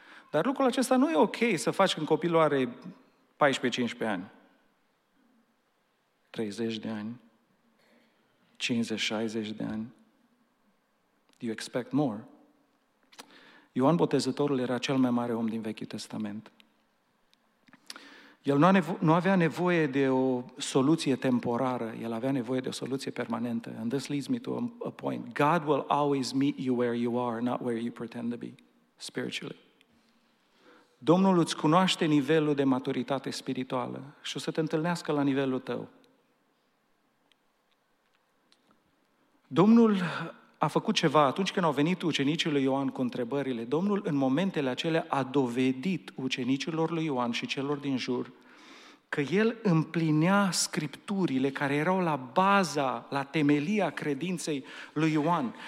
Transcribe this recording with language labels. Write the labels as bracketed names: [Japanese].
[Romanian] Dar lucrul acesta nu e ok să faci când copilul are 14-15 ani, 30 de ani, 50-60 de ani. [English] You expect more. [Romanian] Ioan Botezătorul era cel mai mare om din Vechiul Testament. El nu avea nevoie de o soluție temporară, el avea nevoie de o soluție permanentă. [English] And this leads me to a point. God will always meet you where you are, not where you pretend to be, spiritually. [Romanian] Domnul îți cunoaște nivelul de maturitate spirituală și o să te întâlnească la nivelul tău. Domnul a făcut ceva atunci când au venit ucenicii lui Ioan cu întrebările. Domnul, în momentele acelea, a dovedit ucenicilor lui Ioan și celor din jur că el împlinea scripturile care erau la baza, la temelia credinței lui Ioan.